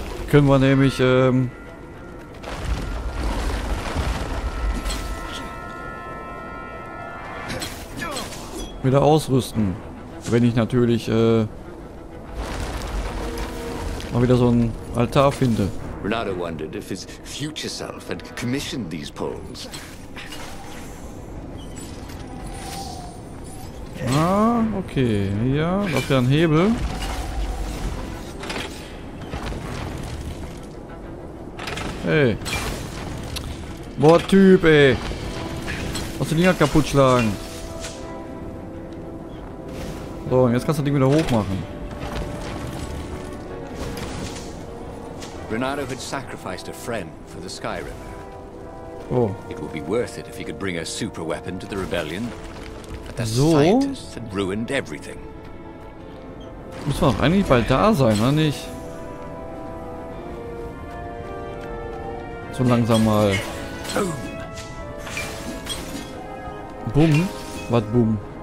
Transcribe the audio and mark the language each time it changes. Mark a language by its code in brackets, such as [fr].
[de] Können wir nämlich, wieder ausrüsten. Wenn ich natürlich, mal wieder so ein Altar finde. [en] Renato wondered if his future self had commissioned these poems. [de] Ah, okay. Ja, da ist ja ein Hebel. Ey. Boah, Typ, ey. Lass die Dinger kaputt schlagen. So, und jetzt kannst du das Ding wieder hochmachen. [en] Renato had sacrificed a friend for the Sky River. Oh. It would be worth it if he could bring a super weapon to the rebellion. But the scientists had ruined everything. [de] Muss man doch eigentlich bald da sein, oder nicht? So langsam mal. Boom. Was boom?